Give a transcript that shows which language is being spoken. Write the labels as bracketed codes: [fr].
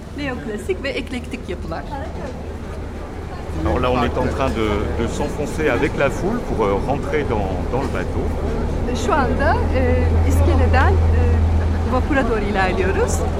[tr] Neoklasik ve eklektik yapılar. [fr] Alors là, on est en train de s'enfoncer avec la foule pour rentrer dans le bateau. [tr] Şu anda iskeleden vapura doğru ilerliyoruz.